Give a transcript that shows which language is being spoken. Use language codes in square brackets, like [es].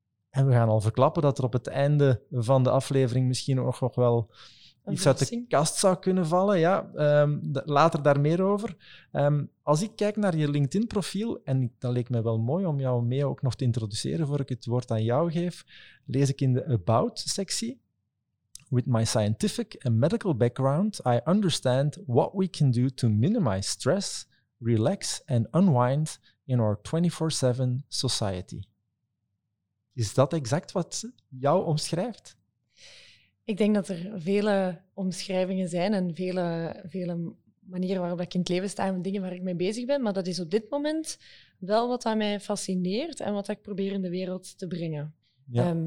[nl] En we gaan al verklappen dat er op het einde van de aflevering misschien nog wel iets uit de kast zou kunnen vallen. Ja, later daar meer over. Als ik kijk naar je LinkedIn-profiel, en dat leek me wel mooi om jou mee ook nog te introduceren voor ik het woord aan jou geef, lees ik in de About-sectie. [en] With my scientific and medical background, I understand what we can do to minimize stress, relax and unwind in our 24/7 society. [nl] Is dat exact wat jou omschrijft? Ik denk dat er vele omschrijvingen zijn en vele manieren waarop ik in het leven sta en dingen waar ik mee bezig ben, maar dat is op dit moment wel wat aan mij fascineert en wat ik probeer in de wereld te brengen. Ja.